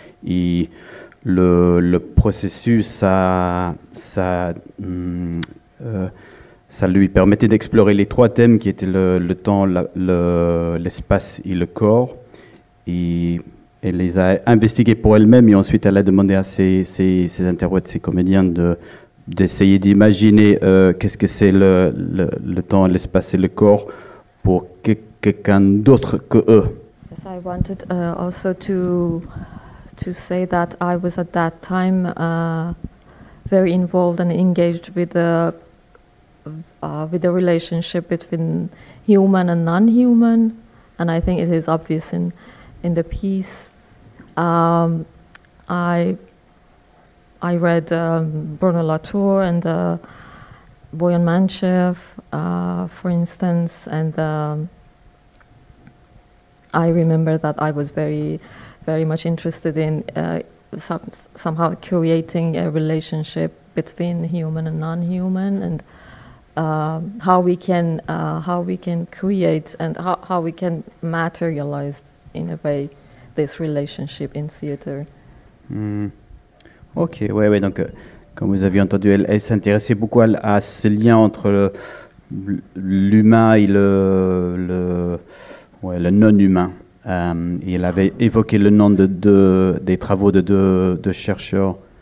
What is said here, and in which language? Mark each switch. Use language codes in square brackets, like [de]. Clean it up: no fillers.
[fr] Et le processus, ça lui permettait d'explorer les trois thèmes qui étaient le temps, l'espace et le corps. Et elle les a investigués pour elle-même. Et ensuite, elle a demandé à ses interprètes, ses comédiens d'essayer d'imaginer qu'est-ce que c'est le temps, l'espace et le corps pour quelqu'un d'autre que eux. [en] Yes, I wanted also to say that I was at that time very involved and engaged with the relationship between human and non-human, and I think it is obvious in the piece. I read Bruno Latour and Boyan Manchev, for instance, and I remember that I was very, very much interested in somehow creating a relationship between human and non-human, and how we can create and how we can materialize in a way this relationship in theater. Mm. [fr] Ok, ouais, donc comme vous avez entendu, elle s'intéressait beaucoup à ce lien entre l'humain et le non-humain. Et elle avait évoqué le nom des travaux de deux chercheurs.